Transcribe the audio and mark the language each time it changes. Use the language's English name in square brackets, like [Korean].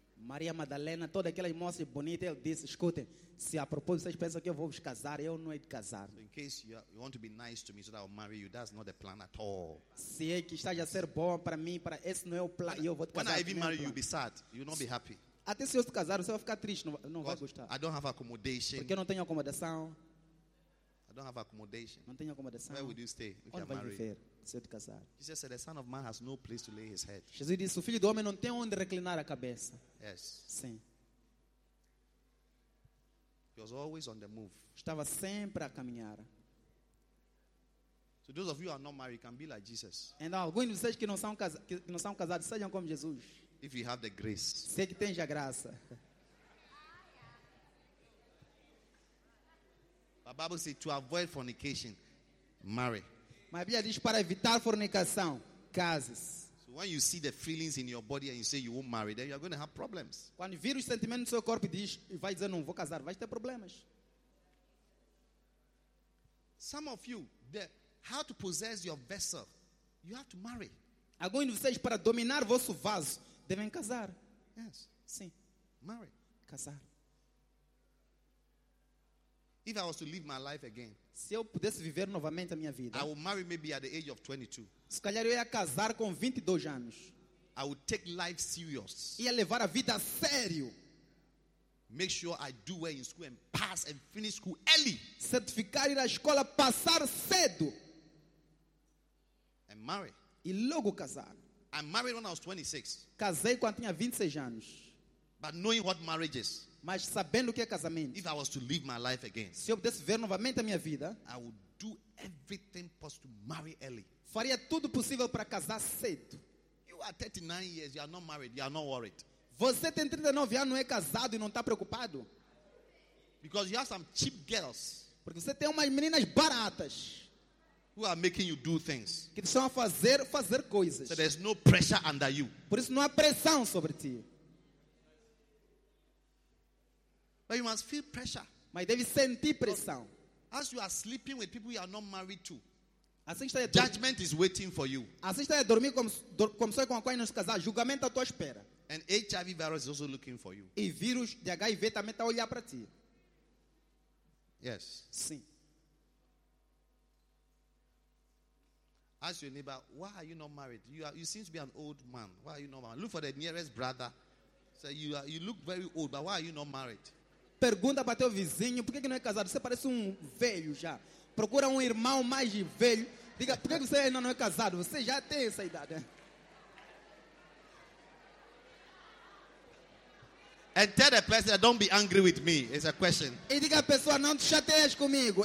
[Portuguese] Maria Madalena, toda aquela moça bonita, ele disse, escutem, se a propósito vocês pensam que eu vou vos casar, eu não hei de casar. [English] So in case you want to be nice to me so that I will marry you, that's not the plan at all. [Portuguese] Se é que está a ser bom para mim, para esse não é o plano, eu vou te casar. [English] When I even marry you, you'll be sad. You'll not be happy. [Portuguese] Até se eu te casar, você vai ficar triste, não vai gostar. [English] I don't have accommodation. [Portuguese] Porque eu não tenho acomodação. [English] Don't have accommodation. [Portuguese] Não tenho acomodação. [English] Where would you stay if you're married? [Portuguese] Viver, se eu te casar? [English] Jesus said, the Son of Man has no place to lay his head. [Portuguese] Jesus disse, o filho do homem não tem onde reclinar a cabeça. [English] Yes. [Portuguese] Sim. [English] He was always on the move. [Portuguese] Estava sempre a caminhar. [English] So those of you who are not married can be like Jesus. [Portuguese] Então, alguns de vocês que não são casados, sejam como Jesus. [English] If you have the grace. [Portuguese] Se que tens a graça. [English] The Bible says to avoid fornication, marry. [Portuguese] Mas a Bíblia diz para evitar fornicação, cases. [English] So when you see the feelings in your body and you say you won't marry, then you are going to have problems. [Portuguese] Quando vir os sentimentos no seu corpo diz e vai dizer não vou casar, vai ter problemas. [English] Some of you, how to possess your vessel, you have to marry. [Portuguese] Alguns de vocês para dominar vosso vaso devem casar. [English] Yes. [Portuguese] Sim. [English] Marry. [Portuguese] Casar. [English] If I was to live my life again, [Portuguese] se eu pudesse viver novamente a minha vida, [English] I would marry maybe at the age of 22. [Portuguese] Se calhar eu ia casar com 22 anos. [English] I would take life serious. [Portuguese] Ia levar a vida a sério. [English] Make sure I do well in school and pass and finish school early. [Portuguese] Certificar, ir à escola, passar cedo. [English] And marry. [Portuguese] E logo casar. [English] I married when I was 26. [Portuguese] Casei quando tinha 26 anos. [English] But knowing what marriage is. [Portuguese] Mas sabendo o que é casamento. [English] If I was to live my life again, [Portuguese] se eu pudesse viver novamente a minha vida, [English] I would do everything possible to marry early. [Portuguese] Faria tudo possível para casar cedo. [English] You are 39 years, you are not married, you are not worried. [Portuguese] Você tem 39 anos, não é casado e não está preocupado? [English] Because you have some cheap girls. [Portuguese] Porque você tem umas meninas baratas. [English] who are making you do things. [Portuguese] Que te chamam a fazer coisas. [English] So there's no pressure under you. [Portuguese] Por isso não há pressão sobre ti. [English] But you must feel pressure. [Portuguese] Mas deve sentir pressão. [English] As you are sleeping with people you are not married to. [Portuguese] Assim está a [English] judgment is waiting for you. [Portuguese] Assim está a dormir começou com a qual não se casar. Julgamento à tua espera. [English] And HIV virus is also looking for you. [Portuguese] E vírus de HIV também está a olhar para ti. [English] Yes. [Portuguese] Sim. [English] Ask your neighbor, why are you not married? You seem to be an old man. Why are you not married? Look for the nearest brother. Say you look very old, but why are you not married? [Portuguese] Pergunta para teu vizinho, por que não é casado? Você parece velho já. Procura irmão mais velho. Diga, por que você ainda não é casado? Você já tem essa idade. [English] And tell the person, don't be angry with me. It's a question. [Portuguese] E diga à pessoa, não te chateias comigo.